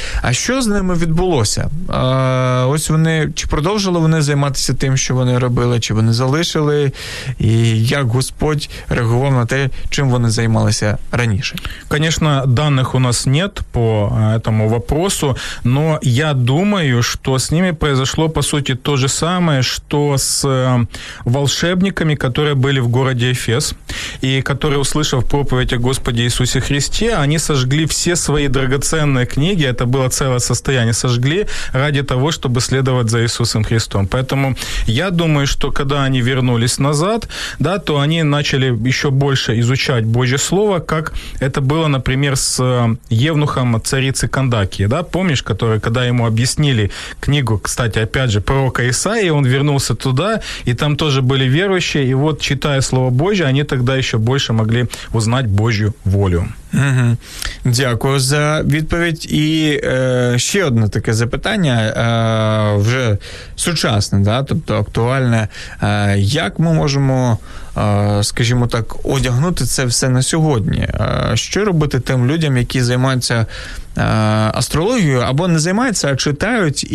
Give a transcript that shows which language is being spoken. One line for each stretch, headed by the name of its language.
Ukrainian: А що з ними відбулося? Ось вони, чи продовжили вони займатися тим, що вони робили, чи вони залишили? І як Господь реагував на те, чим вони займалися раніше? Звісно, даних у нас
Russian: нет по цьому вопросу, но я думаю, що с ними произошло, по сути, то же самое, что с волшебниками, которые были в городе Эфес, и которые, услышав проповедь о Господе Иисусе Христе, они сожгли все свои драгоценные книги, это было целое состояние, сожгли ради того, чтобы следовать за Иисусом Христом. Поэтому я думаю, что когда они вернулись назад, да, то они начали еще больше изучать Божье Слово, как это было, например, с евнухом царицы Кандакии. Да? Помнишь, который, когда ему объяснили, книгу, кстати, опять же, пророка Исаии, он вернулся туда, и там тоже были верующие, и вот, читая Слово Божье, они тогда еще больше могли узнать Божью волю.
Ukrainian: Угу. Дякую за відповідь. І ще одне таке запитання, вже сучасне, да? Тобто актуальне. Як ми можемо, скажімо так, одягнути це все на сьогодні? Що робити тим людям, які займаються астрологією, або не займаються, а читають?